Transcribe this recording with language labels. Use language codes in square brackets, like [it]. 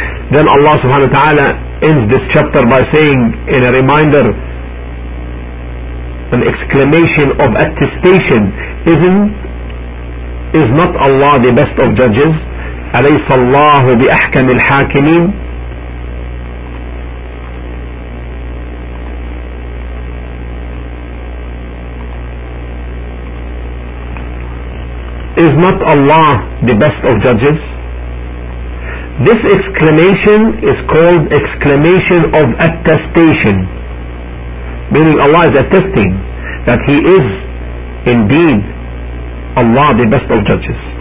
[en] Then Allah subhanahu wa ta'ala ends this chapter by saying, in a reminder, an exclamation of attestation, is not Allah the best of judges? [ar] أليس الله بأحكم الحاكمين؟ [en] Is not Allah the best of judges? This exclamation is called exclamation of attestation, meaning Allah is attesting that He is indeed Allah the best of judges.